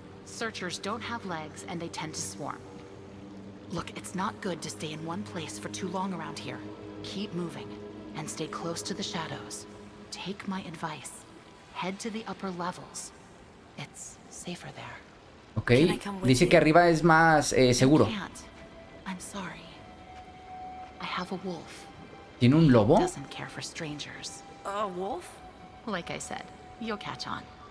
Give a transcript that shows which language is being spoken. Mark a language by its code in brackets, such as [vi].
[en] Searchers don't have legs and they tend to swarm. Look, it's not good to stay in one place for too long around here. Keep moving and stay close to the shadows. Take my advice. Head to the upper levels. It's safer there. Okay. [es] Dice que arriba es más seguro. [en] I'm sorry. I have a wolf. [es] ¿Tiene un lobo? [en] He doesn't care for strangers. a wolf? Like I said, you'll catch on.